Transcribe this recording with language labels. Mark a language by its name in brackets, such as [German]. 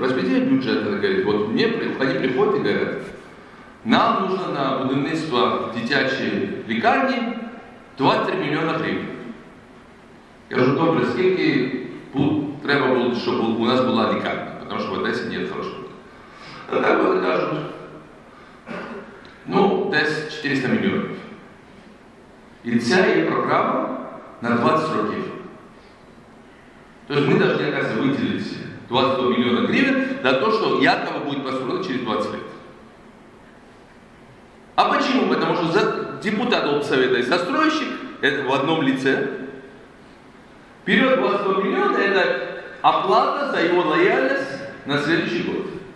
[Russian] Распределение бюджета, говорит, вот мне, они приходят и говорят, нам нужно на будовництво детячей лекарни 23 миллиона гривен. Я уже говорю, сколько треба будет, чтобы у нас была лекарня, потому что в Одессе нет хорошего. А так вот кажут, ну, ДЭС 400 миллионов. [Ukrainian] И ця є програма на 20 років. [Russian] То есть мы должны, оказывается, выделить 22 миллиона гривен на то, что якобы будет построено через 20 лет. А почему? Потому что депутат Обсовета и застройщик, это в одном лице, берет 22 миллиона, это оплата за его лояльность на следующий год.